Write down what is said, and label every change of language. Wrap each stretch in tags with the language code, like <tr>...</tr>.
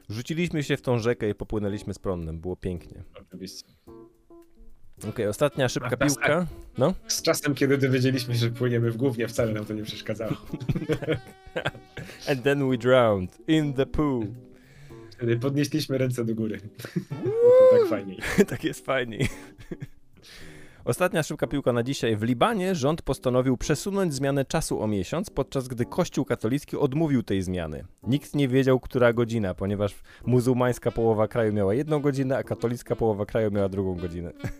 <pl>Rzuciliśmy się w tą rzekę i popłynęliśmy z prądem, było pięknie. Oczywiście. Okej, ostatnia szybka piłka. No. Z czasem, kiedy dowiedzieliśmy się, że płyniemy w gównie, wcale nam to nie przeszkadzało.</pl> <en>And then we drowned in the pool.</en> <pl>Wtedy podnieśliśmy ręce do góry. To tak fajniej. Tak jest fajniej. Ostatnia szybka piłka na dzisiaj. W Libanie rząd postanowił przesunąć zmianę czasu o miesiąc, podczas gdy Kościół katolicki odmówił tej zmiany. Nikt nie wiedział, która godzina, ponieważ muzułmańska połowa kraju miała jedną godzinę, a katolicka połowa kraju miała drugą godzinę.</pl>